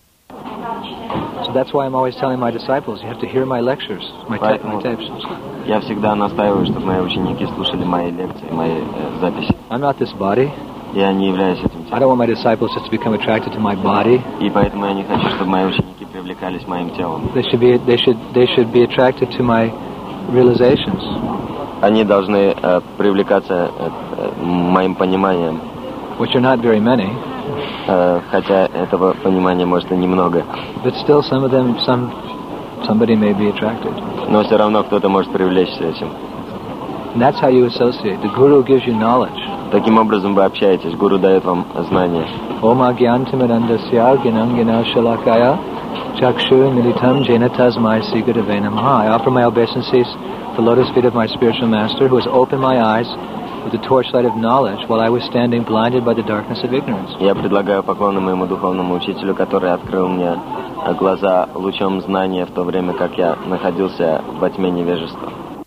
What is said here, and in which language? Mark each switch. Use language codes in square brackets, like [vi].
[en] So that's why I'm always telling my disciples, you have to hear my lectures, my tapes. [ru] Я всегда настаиваю, чтобы мои ученики слушали мои лекции, мои записи. [en] I'm not this body. [ru] Я не являюсь этим телом. [en] I don't want my disciples just to become attracted to my body. [ru] И поэтому я не хочу, чтобы мои ученики привлекались моим телом. [en] They should be attracted to my realizations. [ru] Они должны привлекаться моим пониманием. [en] Which are not very many. [ru] Хотя этого понимания может и немного. [en] But still some of them, somebody may be attracted. [ru] Но все равно кто-то может привлечься этим. [en] And that's how you associate. The guru gives you knowledge. [ru] Таким образом вы общаетесь. Гуру дает вам знания. [sa] Ом агьянтамирандасья гинангина шалакая чакшу милитам джейнатаз май сигадаве намаха. [en] I offer my obeisances to the lotus feet of my spiritual master who has opened my eyes with the torchlight of knowledge while I was standing blinded by the darkness of ignorance. [ru] Я предлагаю поклоны моему духовному учителю, который открыл мне глаза лучом знания в то время, как я находился во тьме невежества.